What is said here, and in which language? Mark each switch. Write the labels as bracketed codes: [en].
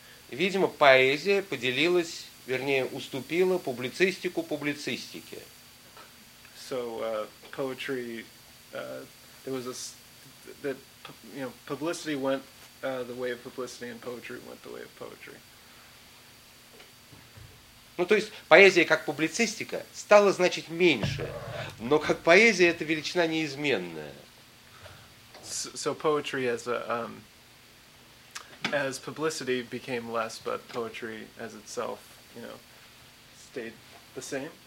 [ru] Видимо, поэзия поделилась, вернее, уступила публицистику публицистике. [en] So poetry, there was a that, you know, publicity went the way of publicity, and poetry went the way of poetry. [ru] Ну, то есть поэзия как публицистика стала, значит, меньше, но как поэзия это величина неизменная. [en] So poetry as a as publicity became less, but poetry as itself, you know, stayed the same.